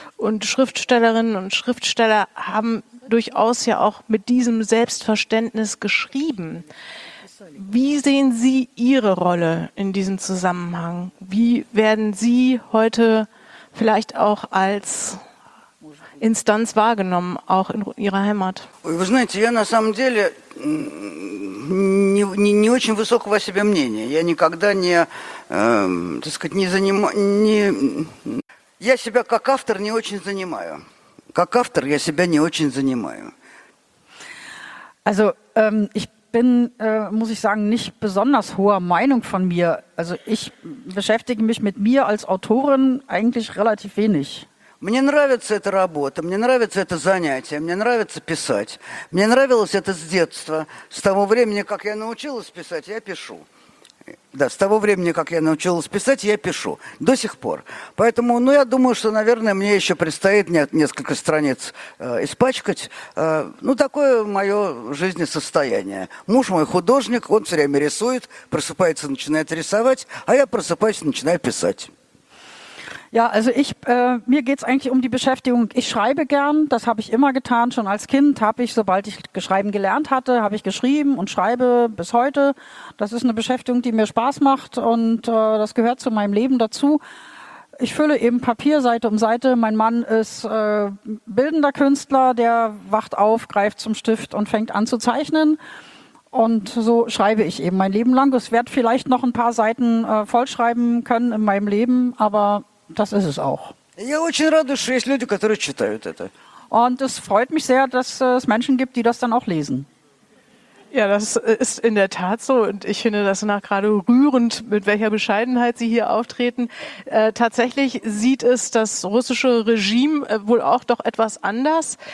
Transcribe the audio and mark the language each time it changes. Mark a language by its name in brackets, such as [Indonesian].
[German] Und Schriftstellerinnen und Schriftsteller haben durchaus ja auch mit diesem Selbstverständnis geschrieben. Wie sehen Sie Ihre Rolle in diesem Zusammenhang? Wie werden Sie heute vielleicht auch als Instanz wahrgenommen, auch in ihrer Heimat? [Russian] Вы знаете, я на самом деле не очень высокого о себе мнения. Я никогда не, так сказать, не занимаю... Не... Я себя как автор не очень занимаю. Как автор я себя не очень занимаю. [German] Also, ich bin, muss ich sagen, nicht besonders hoher Meinung von mir. Also ich beschäftige mich mit mir als Autorin eigentlich relativ wenig. [Russian] Мне нравится эта работа, мне нравится это занятие, мне нравится писать. Мне нравилось это с детства. С того времени, как я научилась писать, я пишу. Да, с того времени, как я научилась писать, я пишу. До сих пор. Поэтому, ну, я думаю, что, наверное, мне еще предстоит несколько страниц испачкать. Ну, такое мое жизнесостояние. Муж мой художник, он все время рисует, просыпается, начинает рисовать, а я просыпаюсь, начинаю писать. [German] Ja, also ich, mir geht es eigentlich um die Beschäftigung. Ich schreibe gern, das habe ich immer getan. Schon als Kind habe ich, sobald ich Schreiben gelernt hatte, habe ich geschrieben und schreibe bis heute. Das ist eine Beschäftigung, die mir Spaß macht und das gehört zu meinem Leben dazu. Ich fülle eben Papier Seite um Seite. Mein Mann ist bildender Künstler, der wacht auf, greift zum Stift und fängt an zu zeichnen. Und so schreibe ich eben mein Leben lang. Ich werde vielleicht noch ein paar Seiten vollschreiben können in meinem Leben, aber... Das ist es auch. [Russian] Я очень радуюсь, что есть люди, которые читают это. [German] Und es freut mich sehr, dass es Menschen gibt, die das dann auch lesen. Ja, das ist in der Tat so. Und ich finde das nach gerade rührend, mit welcher Bescheidenheit Sie hier auftreten. Tatsächlich sieht es das russische Regime wohl auch doch etwas anders.